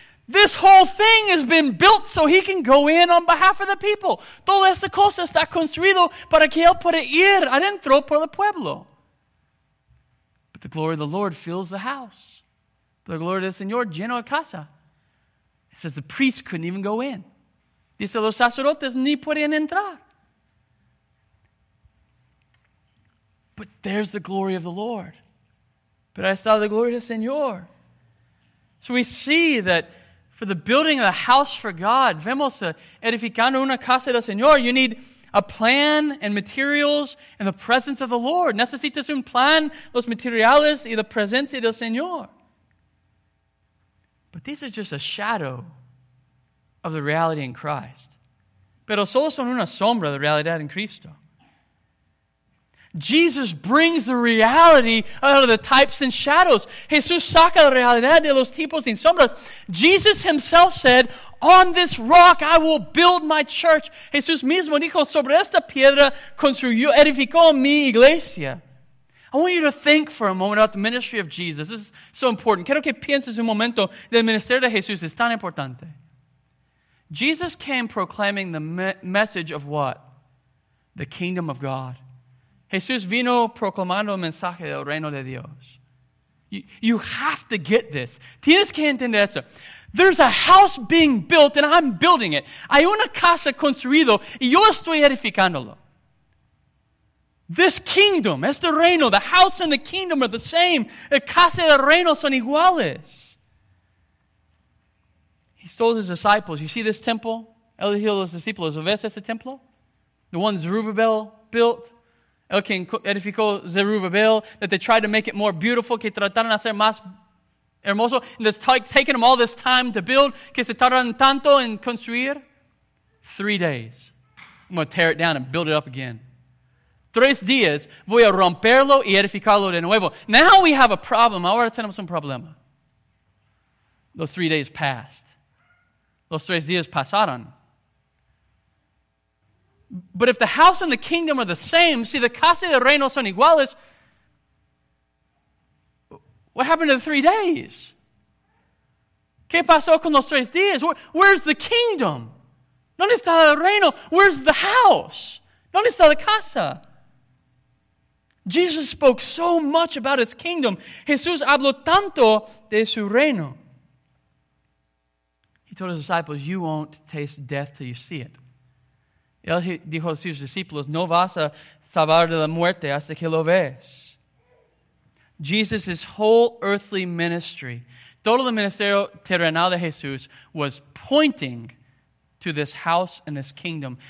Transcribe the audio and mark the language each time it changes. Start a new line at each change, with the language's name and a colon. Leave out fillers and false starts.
English: This whole thing has been built so he can go in on behalf of the people.
Spanish: Toda esa cosa está construido para que él pueda ir adentro por el pueblo.
English: But the glory of the Lord fills the house. The glory
Spanish: del Señor lleno de casa.
English: It says the priest couldn't even go in.
Spanish: Dice los sacerdotes ni pueden entrar.
English: But there's the glory of the Lord.
Spanish: Pero ahí está la gloria del Señor.
English: So we see that for the building of a house for God,
Spanish: vemos edificando una casa del Señor,
English: you need a plan and materials and the presence of the Lord.
Spanish: Necesitas un plan, los materiales y la presencia del Señor.
English: But these are just a shadow of the reality in Christ.
Spanish: Pero solo son una sombra de la realidad en Cristo.
English: Jesus brings the reality out of the types and shadows.
Spanish: Jesús saca la realidad de los tipos y sombras.
English: Jesus himself said, on this rock I will build my church.
Spanish: Jesús mismo dijo, sobre esta piedra construyó, edificó mi iglesia.
English: I want you to think for a moment about the ministry of Jesus. This is so important.
Spanish: Quiero que pienses un momento del ministerio de Jesús.
English: Es tan importante. Jesus came proclaiming the message of what? The kingdom of God.
Spanish: Jesús vino proclamando el mensaje del reino de Dios.
English: You have to get this.
Spanish: Tienes que entender esto.
English: There's a house being built and I'm building it.
Spanish: Hay una casa construido y yo estoy edificándolo.
English: This kingdom,
Spanish: este reino,
English: the house and the kingdom are the same.
Spanish: El casa y el reino son iguales.
English: He told his disciples, you see this temple?
Spanish: Él dijo a los discípulos, ¿ves este templo?
English: The one Zerubbabel built.
Spanish: El que edificó Zerubbabel,
English: that they tried to make it more beautiful,
Spanish: que trataron de hacer más hermoso,
English: and it's taking them all this time to build,
Spanish: que se tardaron tanto en construir.
English: 3 days. I'm going to tear it down and build it up again.
Spanish: 3 días, voy a romperlo y edificarlo de nuevo.
English: Now we have a problem.
Spanish: Ahora tenemos un problema.
English: Those 3 days passed.
Spanish: Los 3 días pasaron.
English: But if the house and the kingdom are the same, see, the
Spanish: casa y el reino son iguales,
English: what happened to the 3 days?
Spanish: ¿Qué pasó con los 3 días?
English: Where's the kingdom?
Spanish: ¿Dónde está el reino?
English: Where's the house?
Spanish: ¿Dónde está la casa?
English: Jesus spoke so much about his kingdom.
Spanish: Jesús habló tanto de su reino.
English: He told his disciples, you won't taste death till you see it.
Spanish: Él dijo a sus discípulos, no vas a salvar de la muerte hasta que lo ves.
English: Jesus' whole earthly ministry,
Spanish: todo el ministerio terrenal de Jesús,
English: was pointing to this house and this kingdom.